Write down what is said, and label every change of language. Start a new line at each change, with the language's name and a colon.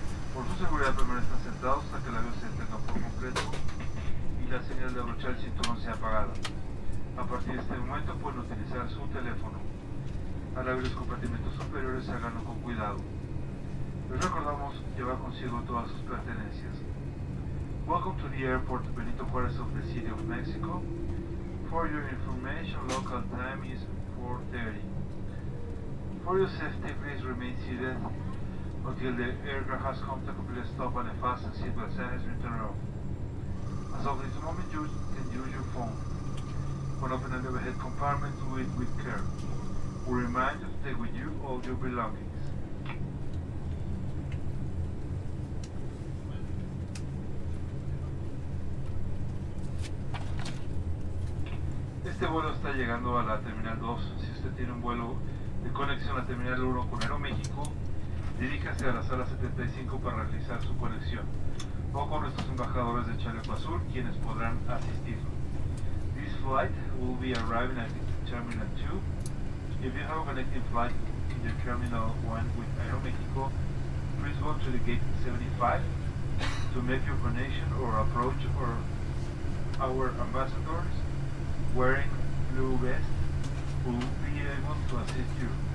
Spanish: Por su seguridad, permanezcan sentados hasta que el avión se detenga por completo y la señal de abrochar el cinturón sea apagada. A partir de este momento pueden utilizar su teléfono. Al abrir los compartimentos superiores, háganlo con cuidado. Les recordamos llevar consigo todas sus pertenencias.
English: Welcome to the airport Benito Juárez of the City of Mexico. For your information, local time is 4:30. For your safety, please remain seated until the aircraft has come to a complete stop and the fasten seatbelt sign has been turned off. As of this moment, you can use your phone. When opening the overhead compartment, do it with care. We remind you to take with you all your belongings.
Spanish: Este vuelo está llegando a la terminal 2. Si usted tiene un vuelo de conexión a la terminal 1 con Aeroméxico, diríjase a la sala 75 para realizar su conexión o con nuestros embajadores de Chaleco Azul, quienes podrán asistir.
English: This flight will be arriving at terminal 2. If you have a connecting flight in the terminal 1 with Aeroméxico, please go to the gate 75 to make your connection or approach our ambassadors. Wearing blue vest will be able to assist you.